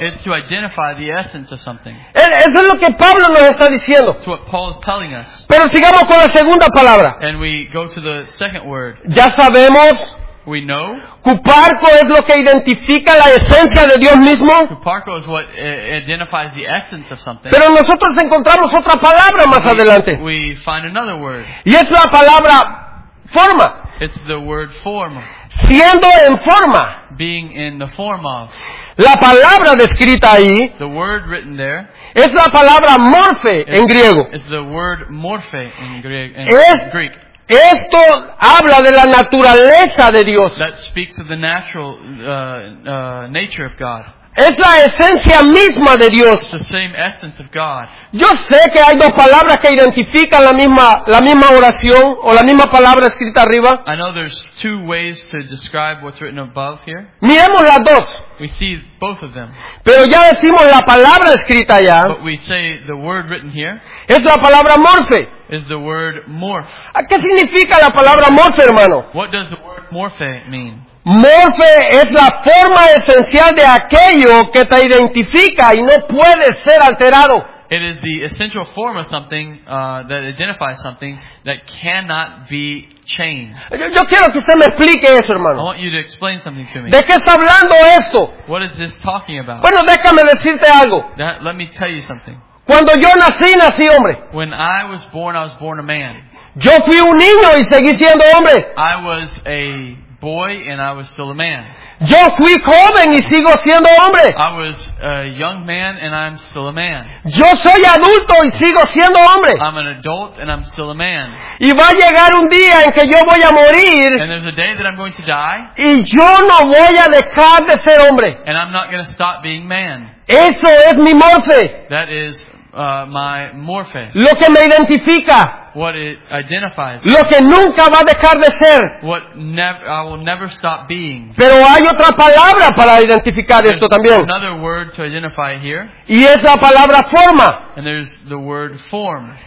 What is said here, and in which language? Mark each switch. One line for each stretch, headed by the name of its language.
English: It's to identify the essence of something.
Spanish: Eso es lo que Pablo nos está diciendo.
English: It's what Paul is telling us.
Spanish: Pero sigamos con la segunda palabra.
English: And we go to the second word.
Spanish: Ya sabemos.
English: We know.
Spanish: Kuparko es lo que identifica la esencia de Dios mismo.
English: Kuparko is what identifies the essence of something.
Spanish: Pero nosotros encontramos otra palabra más adelante.
English: We find another word.
Spanish: Y es la palabra forma.
English: It's the word form.
Spanish: Siendo en forma.
English: Being in the form of.
Spanish: La palabra descrita ahí.
English: The word written there.
Spanish: Es la palabra morphe en griego.
English: It's the word morphe in Greek.
Spanish: Esto habla de la naturaleza de Dios.
English: That speaks of the natural nature of God.
Spanish: Es la esencia misma de Dios.
English: It's the same essence of God.
Spanish: Yo sé que hay dos palabras que identifican la misma oración o la misma palabra escrita arriba.
English: I know there's two ways to describe what's written above here.
Spanish: Miremos las dos.
English: We see both of them.
Spanish: Pero ya decimos la palabra escrita allá.
English: But we say the word written here.
Spanish: Es la palabra morfe.
English: Is the word morph.
Spanish: ¿Qué significa la palabra morfe, hermano?
English: What does the word morphe mean?
Spanish: Morfe es la forma esencial de aquello que te identifica y no puede ser alterado.
English: It is the essential form of something that identifies something that cannot be changed.
Spanish: Yo quiero que usted me explique eso, hermano.
English: I want you to explain something to me.
Spanish: ¿De qué está hablando esto?
English: What is this talking about?
Spanish: Bueno, déjame decirte algo.
English: Let me tell you something.
Spanish: Cuando yo nací, nací hombre.
English: When I was born, I was born a man.
Spanish: Yo fui un niño y seguí siendo hombre.
English: I was a boy and I was still a man.
Spanish: Yo fui joven y sigo siendo hombre.
English: I was a young man and I'm still a man.
Spanish: Yo soy adulto y sigo siendo hombre.
English: I'm an adult and I'm still a man.
Spanish: Y va a llegar un día en que yo voy a morir.
English: And there's a day that I'm going to die.
Spanish: Y yo no voy a dejar de ser hombre.
English: And I'm not going to stop being man.
Spanish: Eso es mi morfe.
English: That is my morfe.
Spanish: Lo que me identifica.
English: What it identifies.
Spanish: Lo que nunca va a dejar de ser.
English: What I will never stop being.
Spanish: Pero hay otra palabra para identificar
English: there's
Spanish: esto también.
English: Another word to identify here.
Spanish: Y es la palabra forma.
English: And there's the word form.